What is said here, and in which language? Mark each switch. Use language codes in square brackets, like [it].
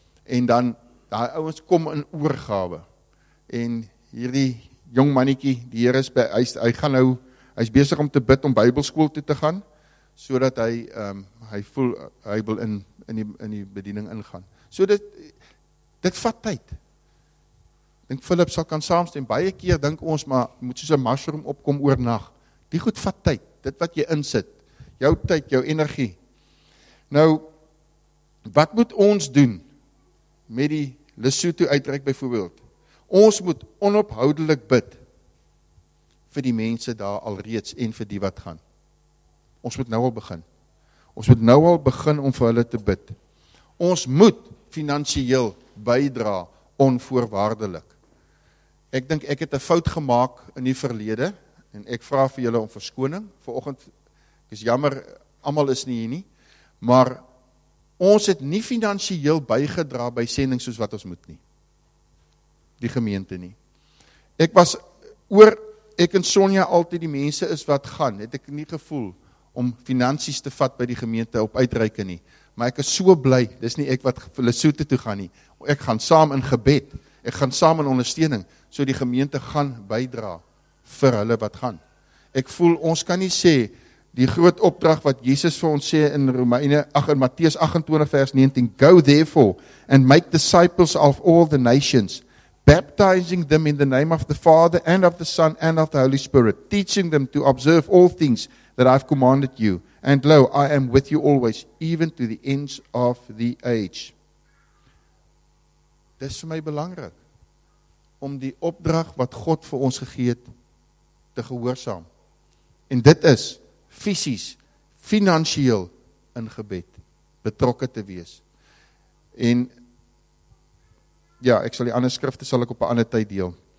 [af] En dan, daar ouwens kom in oorgawe. En hierdie jong mannetjie, die Heer is, hy is besig om te bid om Bybelskool toe te gaan, so dat hy voel, hy wil in die bediening ingaan. So dit vat tyd. Dink Philip sal kan saamstem, baie keer dink ons, maar moet soos 'n mushroom opkom oor nag. Die goed vat tyd, dit wat jy insit, jou tyd, jou energie. Nou, Wat moet ons doen met die Lesotho uitreik byvoorbeeld? Ons moet onophoudelik bid vir die mense daar alreeds en vir die wat gaan. Ons moet nou al begin. Ons moet nou al begin om vir hulle te bid. Ons moet finansieel bydra onvoorwaardelik. Ek dink ek het 'n fout gemaak in die verlede en ek vra vir julle om verskoning. Vanoggend is jammer almal is nie hier nie, maar ons het nie finansieel bygedra by sending soos wat ons moet nie. Die gemeente nie. Ek was oor ek en Sonja altyd die mense is wat gaan, het ek nie gevoel om finansies te vat by die gemeente op uitreike nie. Maar ek is so bly, dis nie ek wat vir Lesotho toe gaan nie. Ek gaan saam in gebed, ek gaan saam in ondersteuning, so die gemeente gaan bydra vir hulle wat gaan. Ek voel, ons kan nie sê, die groot opdrag wat Jesus vir ons sê in Romeine, ach, in Matteus 28 vers 19, [en] go therefore and make disciples of all the nations, baptizing them in the name of the Father and of the Son and of the Holy Spirit, teaching them to observe all things that I've commanded you. And lo, I am with you always, even to the ends of the age. [af] Dit is vir my belangrik, om die opdrag wat God vir ons gegee het, te gehoorsaam. En dit is, fisies, financieel in gebed, betrokke te wees. En, ja, ek sal die ander skrifte, sal ek op 'n ander tyd deel.